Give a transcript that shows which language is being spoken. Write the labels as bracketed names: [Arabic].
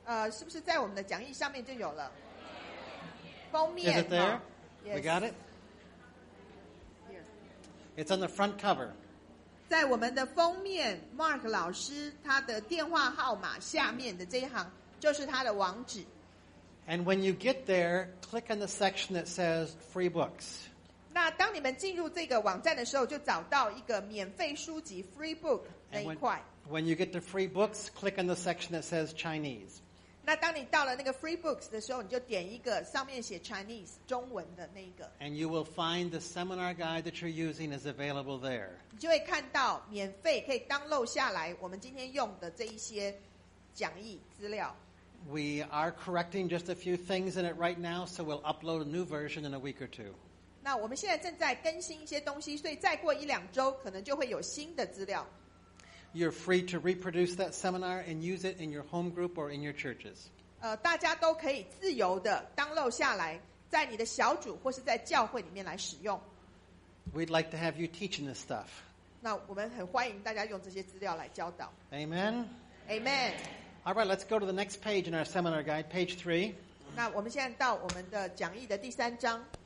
[Chinese] 是不是在我们的讲义上面就有了？封面。 [English] Is it there? Yes. We got it? It's on the front cover. [Chinese] 在我们的封面 ,Mark 老师他的电话号码下面的这一行就是他的网址。 [English] And when you get there, click on the section that says free books. [Chinese] 那当你们进入这个网站的时候，就找到一个免费书籍 [English] free book [Chinese] 那一块。 [English] When you get the free books, click on the section that says Chinese. [Chinese] 那当你到了那个 [English] free books [Chinese] 的时候，你就点一个上面写 Chinese 中文的那一个。 [English] And you will find the seminar guide that you're using is available there. [Chinese] 你就会看到免费可以 download 下来我们今天用的这一些讲义资料。 [English] We are correcting just a few things in it right now, so we'll upload a new version in a week or two. [Chinese] 那我们现在正在更新一些东西，所以再过一两周可能就会有新的资料。 [English] You're free to reproduce that seminar and use it in your home group or in your churches. [Chinese] 大家都可以自由的 download 下来，在你的小组或是在教会里面来使用。 [English] We'd like to have you teaching this stuff. [Chinese] 那我们很欢迎大家用这些资料来教导。 [English] Amen. Amen. All right, let's go to the next page in our seminar guide, page 3. [Chinese] 那我们现在到我们的讲义的第三章。